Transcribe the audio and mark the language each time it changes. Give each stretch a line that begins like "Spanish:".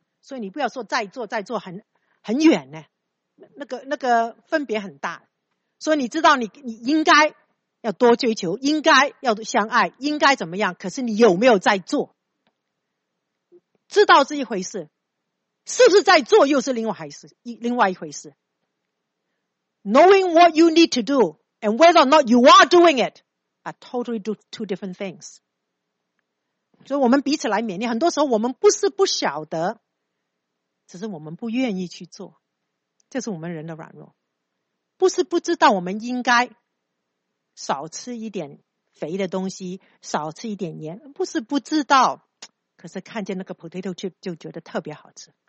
Chinese: 所以你不要说在做在做很远呢，那个分别很大。所以你知道你应该要多追求，应该要相爱，应该怎么样，可是你有没有在做？知道是一回事，是不是在做又是另外一回事。
English: Knowing what you need to do and whether or not you are doing it are totally two different things.
Chinese: 所以我们彼此来勉励，很多时候我们不是不晓得，只是我们不愿意去做，这是我们人的软弱。不是不知道我们应该少吃一点肥的东西，少吃一点盐，不是不知道，可是看见那个 potato chip 就觉得特别好吃。